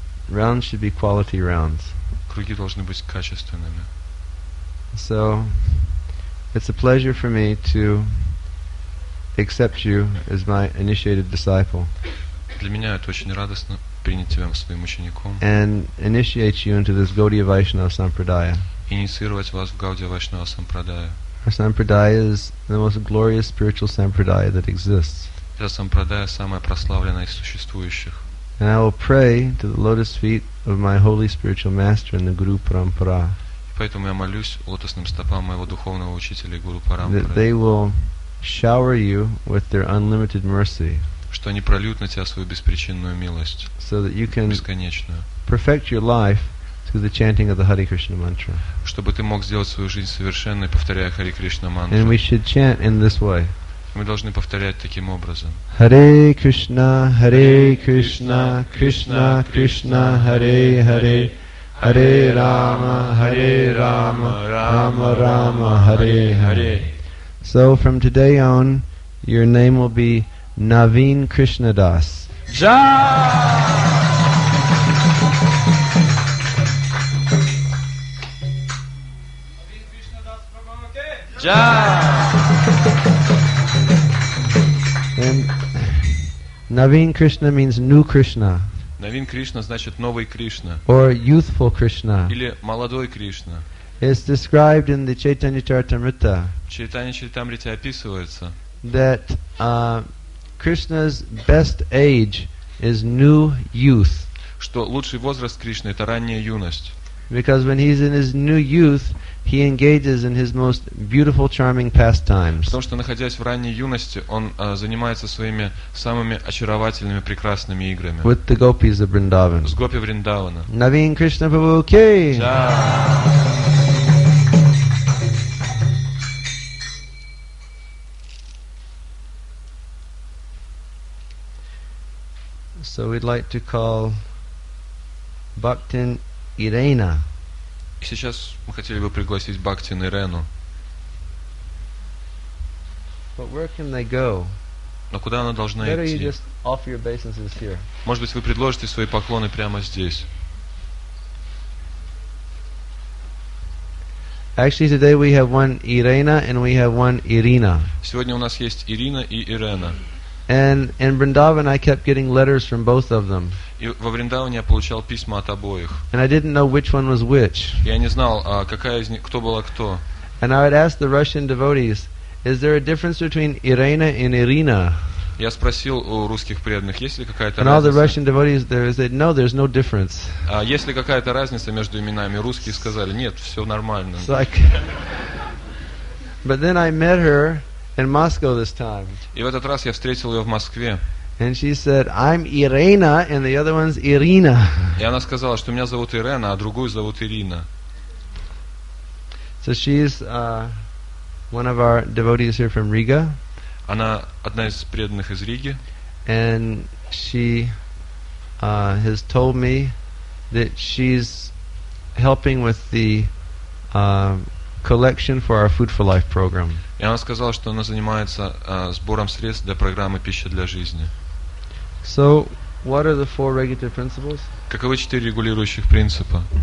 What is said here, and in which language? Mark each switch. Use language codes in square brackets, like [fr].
[en] Rounds should be quality rounds. [ru] Круги должны быть качественными. [en] So, it's a pleasure for me to accept you as my initiated disciple. [ru] Для меня это очень радостно принять тебя своим учеником. [en] And initiate you into this Gaudiya Vaishnava Sampradaya. [ru] Инициировать вас в Gaudiya Vaishnava Sampradaya. [en] Our Sampradaya is the most glorious spiritual Sampradaya that exists. [ru] Это Sampradaya самая прославленная из существующих. [en] And I will pray to the lotus feet of my holy spiritual master and the Guru Parampara. [ru] Поэтому я молюсь лотосным стопам моего духовного учителя Гуру Парампары. [en] That they will shower you with their unlimited mercy. [ru] Что они прольют на тебя свою беспричинную милость. [en] So that you can [ru] бесконечную. [en] Perfect your life through the chanting of the Hare Krishna mantra. [ru] Чтобы ты мог сделать свою жизнь совершенной, повторяя Hare Krishna mantra. [en] And we should chant in this way. [ru] Мы должны повторять таким образом. [sa] Hare Krishna, Hare Krishna, Krishna Krishna, Hare Hare. Hare Rama, Hare Rama, Rama Rama, Hare Hare. [en] So from today on, your name will be Naveen Krishna Das. Ja! Ja! And Naveen Krishna means new Krishna. [ru] Naveen Krishna значит новый Кришна. [en] Or youthful Krishna. [ru] Или молодой Кришна. [en] It's described in the Chaitanya Charitamrita. [ru] Chaitanya Charitamrita описывается. [en] That Krishna's best age is new youth. [ru] Что лучший возраст Кришны это ранняя юность. [en] Because when he's in his new youth, he engages in his most beautiful, charming pastimes. [ru] Потому что находясь в ранней юности, он занимается своими самыми очаровательными, прекрасными играми. [en] With the gopis of Vrindavan. [ru] С гопи Вриндавана. [hi] Naveen Krishna Prabhu ki. Ja. [en] So we'd like to call Bhaktin Irena. [ru] И сейчас мы хотели бы пригласить Бхактин Ирену. [en] But where can they go? [ru] Но куда она должна [en] Better [ru] идти? [en] You just offer your obeisances here. [ru] Может быть, вы предложите свои поклоны прямо здесь. [en] Actually, today we have one Irena and we have one Irina. [ru] Сегодня у нас есть Ирина и Ирена. [en] And in Vrindavan I kept getting letters from both of them. [ru] И во Вриндаване я получал письма от обоих. [en] And I didn't know which one was which. [ru] Я не знал, какая из них, кто была кто. [en] And I would ask the Russian devotees, is there a difference between Irena and Irina? [ru] Я спросил у русских преданных, есть ли какая-то разница. [en] And all the Russian devotees there said, no, there's no difference. [ru] А есть ли какая-то разница между именами? Русские сказали, нет, все нормально. [en] But then I met her in Moscow this time. [ru] И в этот раз я встретил ее в Москве. [en] And she said, I'm Irena, and the other one's Irina. [ru] И она сказала, что меня зовут Ирена, а другую зовут Ирина. [en] So she's one of our devotees here from Riga. [ru] Она одна из преданных из Риги. [en] And she has told me that she's helping with the collection for our Food for Life program. [ru] И она сказала, что она занимается сбором средств для программы «Пища для жизни». [en] So, what are the four regulative principles? [ru] Каковы четыре регулирующих принципа?